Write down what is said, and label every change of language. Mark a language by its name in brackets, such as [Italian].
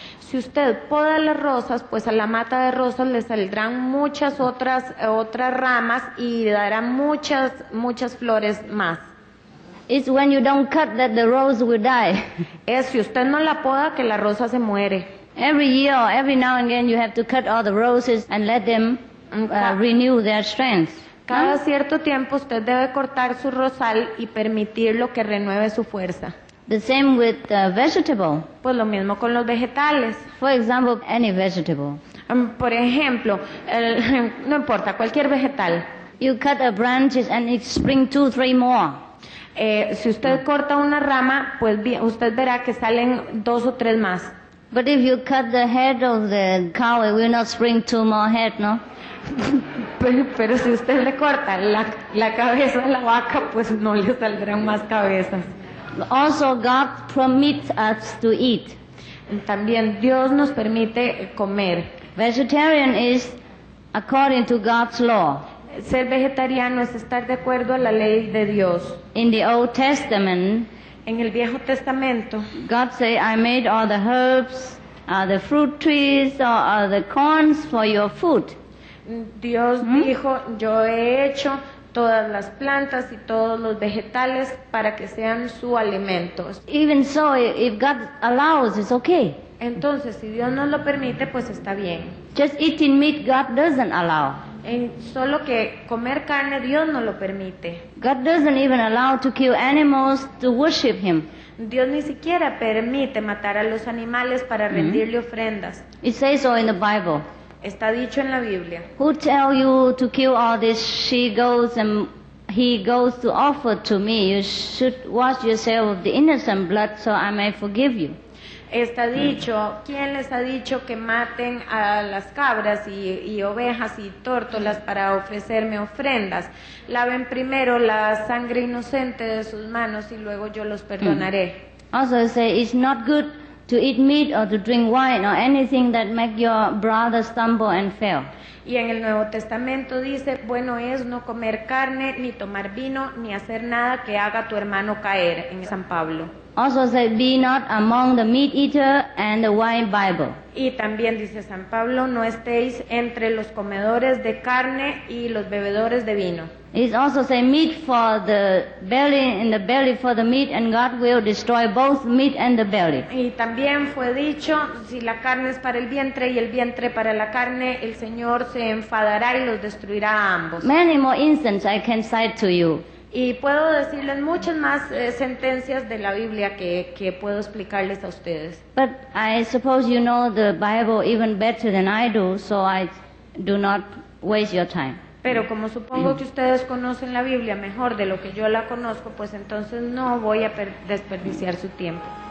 [Spanish] Si usted poda las rosas, pues a la mata de rosas le saldrán muchas otras ramas y darán muchas flores más. [English] It's when you don't cut that the rose will die. [Spanish] Es si usted no la poda que la rosa se muere. [English] Every year, every now and again, you have to cut all the roses and let them renew their strength. [Spanish] Cada cierto tiempo usted debe cortar su rosal y permitirlo que renueve su fuerza. [English] The same with vegetable. [Spanish] Pues lo mismo con los vegetales. [English] For example, any vegetable. [Spanish] Por ejemplo, no importa, cualquier vegetal. [English] You cut a branch and it spring 2-3 more. [Spanish] Si usted corta una rama, pues usted verá que salen 2 o 3 más. [English] But if you cut the head of the cow, it will not spring 2 more head, no? [Spanish] Pero si usted le corta la cabeza a la vaca, pues no le saldrán más cabezas. [English] Also, God permits us to eat. [Spanish] También Dios nos permite comer. [English] Vegetarian is according to God's law. [Spanish] Ser vegetariano es estar de acuerdo a la ley de Dios. [English] In the Old Testament, [Spanish] en el Viejo Testamento, [English] God say, I made all the herbs, the fruit trees, or the corns for your food. [Spanish] Dios dijo, yo he hecho todas las plantas y todos los vegetales para que sean su alimento. [English] Even so, if God allows, it's okay. [Spanish] Entonces, si Dios nos lo permite, pues está bien. [English] Just eating meat, God doesn't allow. [Spanish] Solo que comer carne, Dios no lo permite. [English] God doesn't even allow to kill animals to worship Him. [Spanish] Dios ni siquiera permite matar a los animales para rendirle ofrendas. [English] It says so in the Bible. [Spanish] Está dicho en la Biblia. [English] Who tell you to kill all these she goats and he goats to offer to me? You should wash yourself of the innocent blood so I may forgive you. [Spanish] Está dicho, ¿quién les ha dicho que maten a las cabras y ovejas y tórtolas para ofrecerme ofrendas? Laven primero la sangre inocente de sus manos y luego yo los perdonaré. [English] Also say it's not good to eat meat or to drink wine or anything that make your brother stumble and fail. [Spanish] Y en el Nuevo Testamento dice, bueno es no comer carne, ni tomar vino, ni hacer nada que haga tu hermano caer, en San Pablo. [English] Also say, be not among the meat eater and the wine bibber. [Spanish] Y también dice San Pablo, no estéis entre los comedores de carne y los bebedores de vino. [English] It also say, meat for the belly and the belly for the meat, and God will destroy both meat and the belly. [Spanish] Y también fue dicho, si la carne es para el vientre y el vientre para la carne, el Señor se enfadará y los destruirá a ambos. [English] Many more instances I can cite to you. [Spanish] Y puedo decirles muchas más sentencias de la Biblia que puedo explicarles a ustedes. [English] But I suppose you know the Bible even better than I do, so I do not waste your time. [Spanish] Pero como supongo que ustedes conocen la Biblia mejor de lo que yo la conozco, pues entonces no voy a desperdiciar su tiempo.